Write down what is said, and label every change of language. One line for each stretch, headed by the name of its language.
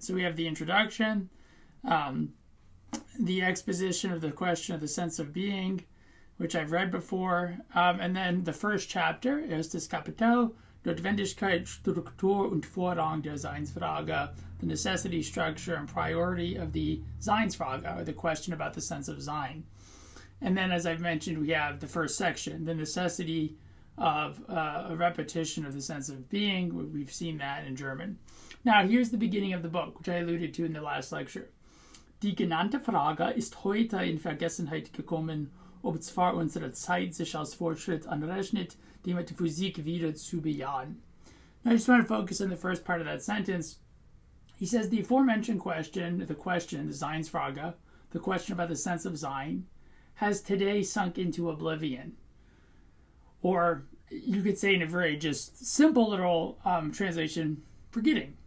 English: So we have the introduction, the exposition of the question of the sense of being, which I've read before, and then the first chapter,
German: Erstes Kapitel, Notwendigkeit, Struktur und Vorrang der Seinsfrage,
English: the necessity, structure, and priority of the Seinsfrage, or the question about the sense of Sein. And then, as I've mentioned, we have the first section, the necessity of a repetition of the sense of being. We've seen that in German. Now, here's the beginning of the book, which I alluded to in the last lecture.
German: Die genannte Frage ist heute in Vergessenheit gekommen, ob zwar unsere Zeit sich als Fortschritt anrechnet, die Metaphysik wieder zu bejahen.
English: Now, I just want to focus on the first part of that sentence. He says the aforementioned question, the question, the Seinsfrage, the question about the sense of Sein, has today sunk into oblivion. Or you could say in a very just simple literal translation, forgetting.